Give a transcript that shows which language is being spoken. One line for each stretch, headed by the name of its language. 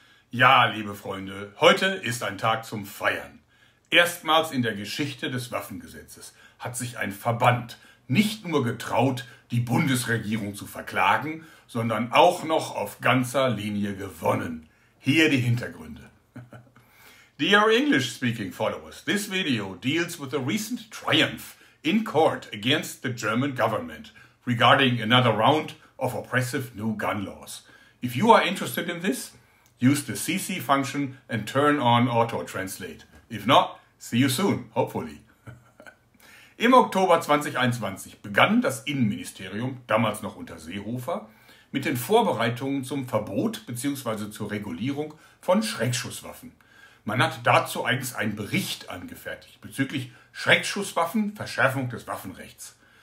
German: Ja, liebe Freunde, heute ist ein Tag zum Feiern. Erstmals in der Geschichte des Waffengesetzes hat sich ein Verband nicht nur getraut, die Bundesregierung zu verklagen, sondern auch noch auf ganzer Linie gewonnen. Hier die Hintergründe.
English: Dear English-speaking followers, this video deals with a recent triumph in court against the German government regarding another round of oppressive new gun laws. If you are interested in this, use the CC function and turn on auto-translate. If not, see you soon, hopefully.
German: Im Oktober 2021 begann das Innenministerium, damals noch unter Seehofer, mit den Vorbereitungen zum Verbot bzw. zur Regulierung von Schreckschusswaffen. Man hat dazu eigens einen Bericht angefertigt bezüglich Schreckschusswaffen, Verschärfung des Waffenrechts.